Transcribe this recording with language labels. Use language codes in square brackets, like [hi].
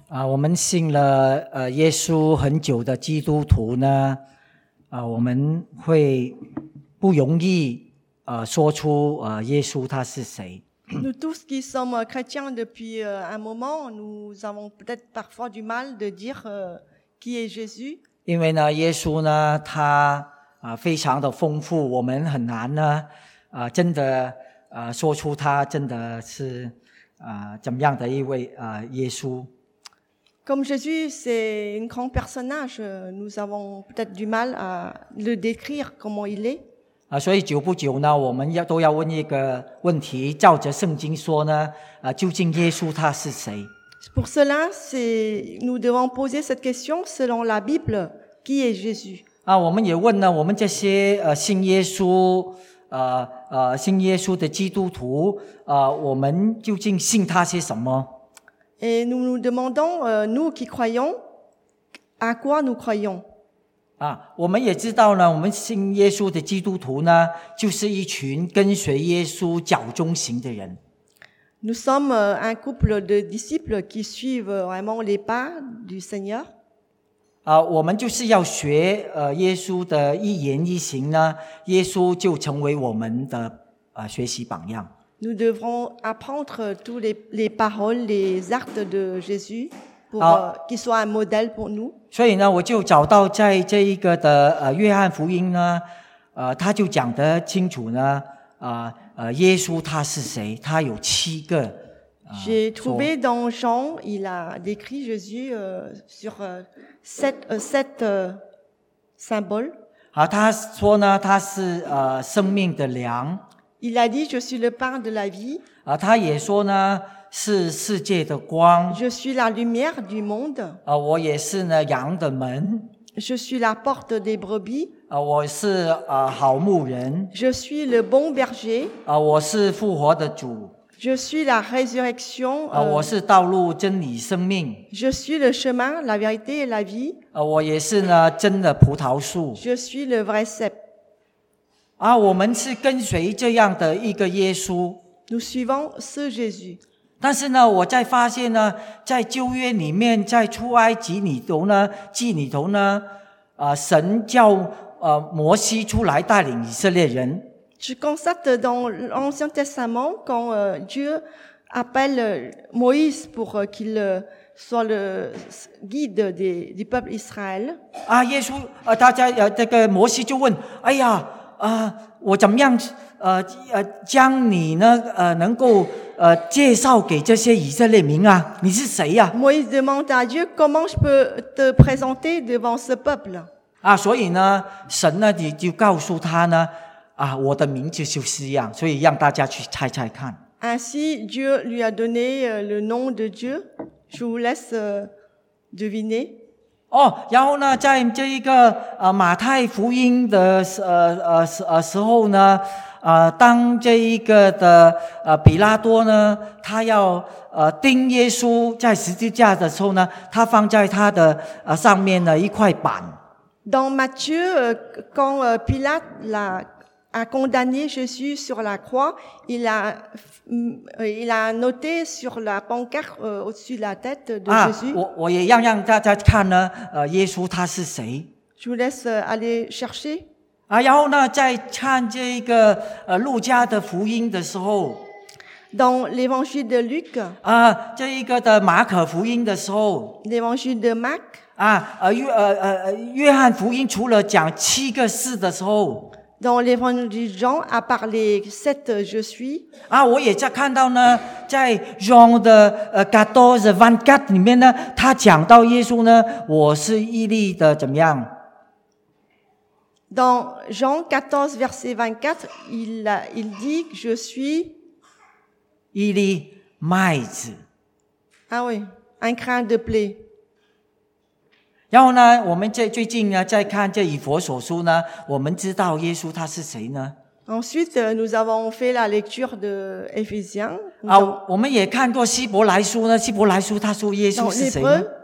[zh] 我们信了耶稣很久的基督徒呢，我们会不容易说出耶稣他是谁。 [fr] Nous tous qui sommes chrétiens depuis un moment, nous avons peut-être parfois du mal de dire qui est Jésus. [zh] 因为呢，耶稣呢，他非常的丰富，我们很难呢，真的说出他真的是怎么样的一位耶稣。 [fr] Comme Jésus, c'est un grand personnage. Nous avons peut-être du mal à le décrire comment il est. [zh] 所以久不久呢，我们都要问一个问题：照着圣经说呢，究竟耶稣他是谁 [fr] ？Pour cela, nous devons poser cette question selon la Bible. Qui est Jésus？ [zh] 我们也问呢，我们这些信耶稣、信耶稣的基督徒我们究竟信他些什么？ [fr] Et nous nous demandons, nous qui croyons, à quoi nous croyons? [zh] 我们也知道呢，我们信耶稣的基督徒呢，就是一群跟随耶稣脚中行的人。 [fr] Nous sommes un couple de disciples qui suivent vraiment les pas du Seigneur. [zh] 我们就是要学耶稣的一言一行呢，耶稣就成为我们的学习榜样。 [fr] Nous devrons apprendre tous les paroles, les actes de Jésus pour qu'il soit un modèle pour nous. [zh] 所以呢，我就找到在这一个的约翰福音呢，他就讲得清楚呢，耶稣他是谁？他有七个。 [fr] J'ai trouvé dans Jean, il a décrit Jésus sur sept symboles. [zh] 他说呢，他是生命的粮。 [fr] Il a dit, je suis le pain de la vie. [zh] 他也说呢，是世界的光。 [fr] Je suis la lumière du monde. [zh] 我也是呢，羊的门。 [fr] Je suis la porte des brebis. [zh] 我是好牧人。 [fr] Je suis le bon berger. [zh] 我是复活的主。 [fr] Je suis la résurrection. [zh] 我是道路、真理、生命。 [fr] Je suis le chemin, la vérité et la vie. [zh] 我也是呢，真的葡萄树。 [fr] Je suis le vrai cep. [zh] 我们是跟随这样的一个耶稣。 [fr] Nous suivons ce Jésus. [zh] 但是呢，我在发现呢，在旧约里面，在出埃及里头呢，记里头呢，神叫摩西出来带领以色列人。 [fr] Je constate dans l'Ancien Testament quand Dieu appelle Moïse pour qu'il soit le guide du peuple Israël. [zh] 耶稣大家这个摩西就问，哎呀。我怎么样将你呢能够介绍给这些以色列民啊，你是谁啊？ [fr] Moïse demande à Dieu, comment je peux te présenter devant ce peuple? [zh] 所以呢神呢你就告诉他呢我的名字就是一样，所以让大家去猜猜看。 [fr] Ainsi, Dieu lui a donné le nom de Dieu, je vous laisse deviner. [zh] 然后呢在这一个马太福音的时候呢当这一个的比拉多呢他要钉耶稣在十字架的时候呢他放在他的上面的一块板。 [fr] Dans Matthieu, quand Pilate a condamné Jésus sur la croix, il a noté sur la pancarte au-dessus de la tête de Jésus. [zh] 我也让大家看呢耶稣他是谁。 [fr] Je vous laisse aller chercher. [zh] 然后呢在看这个路加的福音的时候。 [fr] Dans l'évangile de Luc. [zh] 这一个的马可福音的时候。 [fr] L'évangile de Marc. [zh] 约翰福音除了讲七个事的时候。 [fr] Dans l'évangile de Jean, à part les sept je suis. [zh] 我也在看到呢在 Jean 的14 24里面呢他讲到耶稣呢我是义利的怎么样。 [fr] Dans Jean 14 verset 24, il dit, je suis [zh] 义利麦子。 [fr] Ah oui, un grain de blé. [zh] 然后呢我们最近呢在看这以弗所书呢我们知道耶稣他是谁呢 [fr] Ensuite, nous avons fait la lecture de Ephésiens. [zh] 我们也看过希伯来书呢希伯来书他说耶稣是谁呢